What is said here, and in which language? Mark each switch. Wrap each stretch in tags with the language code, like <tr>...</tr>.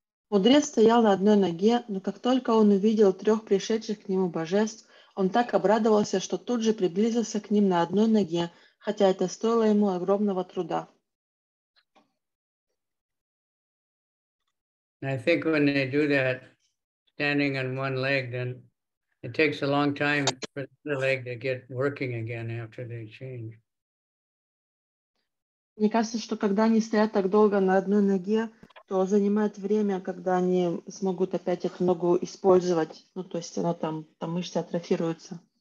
<ru>Мудрец стоял на одной ноге, но как только он увидел трех пришедших к нему божеств, он так обрадовался, что тут же приблизился к ним на одной ноге, хотя это стоило ему огромного труда.</ru> <en>I think when they do that, standing on one leg, then it takes a long time for the leg to get working again after they change.</en> <ru>Мне кажется, что когда они стоят так долго на одной ноге, то занимает время, когда они смогут опять эту ногу использовать. Ну, то есть она там, там мышцы атрофируются.</ru>